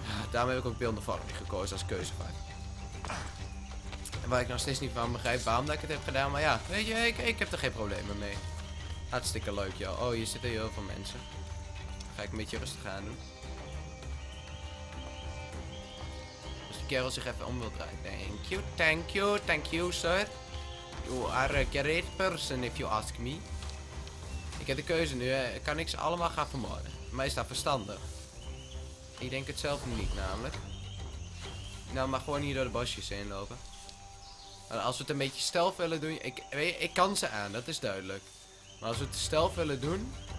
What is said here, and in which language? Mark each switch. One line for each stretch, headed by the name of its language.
Dutch: Daarom heb ik ook beeld vorming gekozen als keuzevak. En waar ik nog steeds niet van begrijp waarom dat ik het heb gedaan, maar ja, weet je, ik heb er geen problemen mee. Hartstikke leuk, joh. Oh, hier zitten heel veel mensen. Dan ga ik een beetje rustig aan doen. Kerel zich even om wil draaien.
English: Thank you, thank you, thank you, sir. You are a great person, if you ask me.
Dutch: Ik heb de keuze nu, hè. Kan ik ze allemaal gaan vermoorden? Maar is dat verstandig? Ik denk het zelf niet, namelijk. Nou, maar gewoon hier door de bosjes heen lopen. Maar als we het een beetje stealth willen doen... Ik kan ze aan, dat is duidelijk. Maar als we het stealth willen doen...